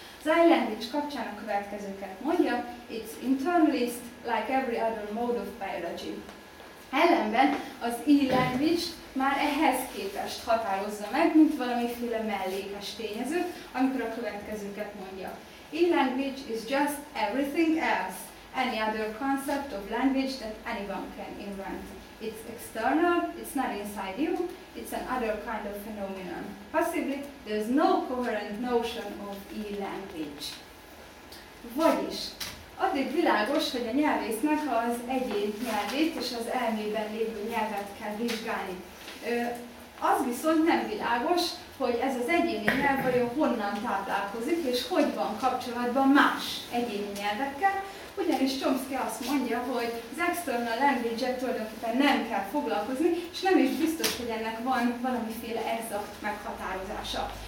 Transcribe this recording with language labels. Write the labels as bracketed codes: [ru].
[hu] Az I-language kapcsán a következőket mondja, [en] it's internalist, like every other mode of biology. [hu] Ellenben az E-language már ehhez képest határozza meg, mint valamiféle mellékes tényezőt, amikor a következőket mondja. [en] E-language is just everything else, any other concept of language that anyone can invent. It's external, it's not inside you, it's an other kind of phenomenon. Possibly, there's no coherent notion of e-language. [hu] Vagyis, addig világos, hogy a nyelvésznek az egyén nyelvét és az elmében lévő nyelvet kell vizsgálni. Az viszont nem világos, hogy ez az egyéni nyelv vajon honnan táplálkozik, és hogy van kapcsolatban más egyéni nyelvekkel, ugyanis Chomsky azt mondja, hogy az external language-et tulajdonképpen nem kell foglalkozni, és nem is biztos, hogy ennek van valamiféle exakt meghatározása.